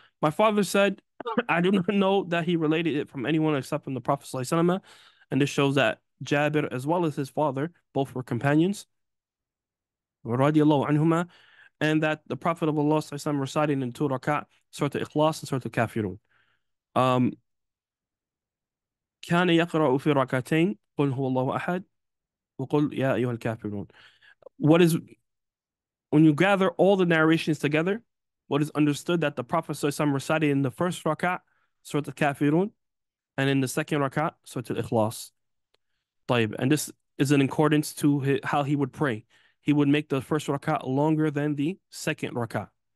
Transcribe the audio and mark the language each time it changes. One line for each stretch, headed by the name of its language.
English: My father said, I do not know that he related it from anyone except from the Prophet Sallallahu Alaihi Wasallam. And this shows that Jabir, as well as his father, both were companions,
Arabic: رَضِيَ اللَّهُ عَنْهُمَا,
English: and that the Prophet of Allah recited in two rak'ah, Surah Al-Ikhlas and Surah Al-Kafirun.
Arabic: كان يقرأ في ركعتين قل هو الله أحد وقل يا أيها الكافرون.
English: What is, when you gather all the narrations together, what is understood that the Prophet ﷺ recited in the first rak'ah, Surah Al-Kafirun, and in the second rak'ah, Surah Al-Ikhlas.
Arabic: طيب,
English: and this is in accordance to how he would pray. He would make the first rak'ah longer than the second rak'ah.